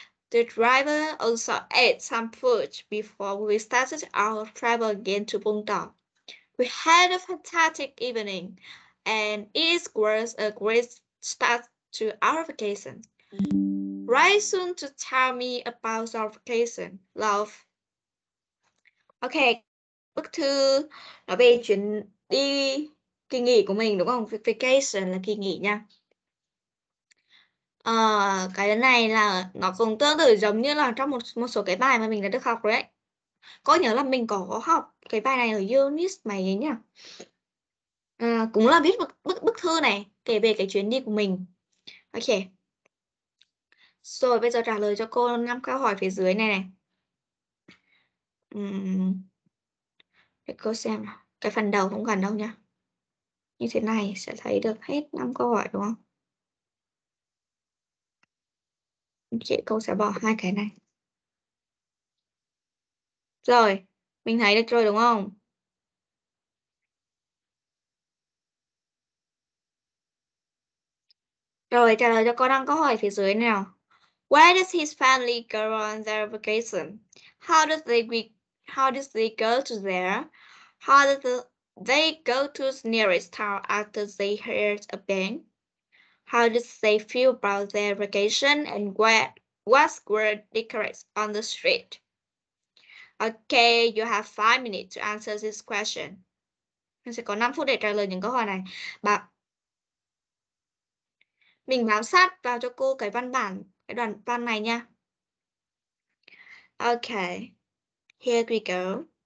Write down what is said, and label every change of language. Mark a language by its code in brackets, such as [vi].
[en] The driver also ate some food before we started our travel again to Vũng Tàu. We had a fantastic evening, and it was a great start to our vacation. Write soon to tell me about your vacation, love. [vi] Ok, bức thư nói về chuyến đi kỳ nghỉ của mình đúng không? Vacation là kỳ nghỉ nha. Cái này là nó cũng tương tự giống như là trong một số cái bài mà mình đã được học đấy. Có nhớ là mình có học cái bài này ở Unis mày ấy nhỉ? Cũng là viết bức thư này kể về cái chuyến đi của mình. Ok. Rồi bây giờ trả lời cho cô 5 câu hỏi phía dưới này này. Để cô xem nào. Cái phần đầu không cần đâu nha. Như thế này sẽ thấy được hết 5 câu hỏi đúng không? Chị cô sẽ bỏ hai cái này. Rồi, mình thấy được rồi đúng không? Rồi, trả lời cho cô 5 câu hỏi phía dưới này nào. [en] Where does his family go on their vacation? How does they go to there? How does they go to the nearest town after they heard a bang? How does they feel about their vacation and what were decorates on the street? Okay, you have 5 minutes to answer this question. [vi] Mình sẽ có 5 phút để trả lời những câu hỏi này. Mình bám sát vào cho cô cái văn bản. Cái đoạn văn này nha. Ok. [en] Here we go.